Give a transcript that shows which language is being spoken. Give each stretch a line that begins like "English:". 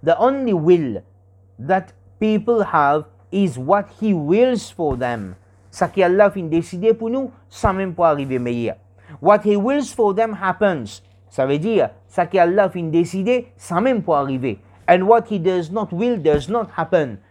English: The only will that people have is what he wills for them.
Morisyen: Ça que Allah fin décider pour nous, ça même pour arriver meilleur.
English: What he wills for them happens.
Morisyen: Ça veut dire, ça que Allah fin décider, ça même pour arriver.
English: And what he does not will does not happen.